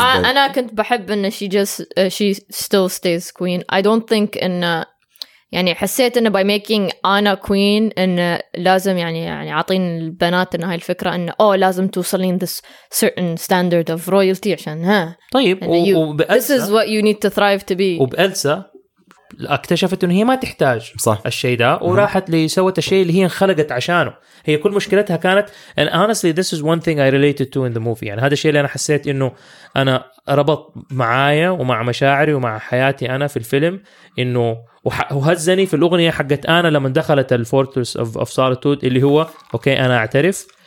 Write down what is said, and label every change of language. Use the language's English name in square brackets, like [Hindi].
[Arabic] أنا كنت بحب إن [English] she still stays queen I don't think [Arabic] إن يعني حسيت إن [English] by making Anna queen [Arabic] إن لازم يعني عطين البنات إن هاي الفكرة إن لازم توصلين [English] this certain standard of royalty [Arabic] عشان ها طيب [English] this is what you need to thrive to be [Arabic] وبإلسا اكتشفت انه هي ما تحتاج صح. الشيء ده وراحت لسوت الشيء اللي هي انخلقت عشانه هي كل مشكلتها كانت [English] and honestly this is one thing I related to in the movie [Arabic] يعني هذا الشيء اللي انا حسيت انه انا ربط معايا ومع مشاعري ومع حياتي انا في الفيلم انه وهزني في الاغنيه حقت انا لما دخلت الفورتريس اوف سوليتود اللي هو اوكي انا اعترف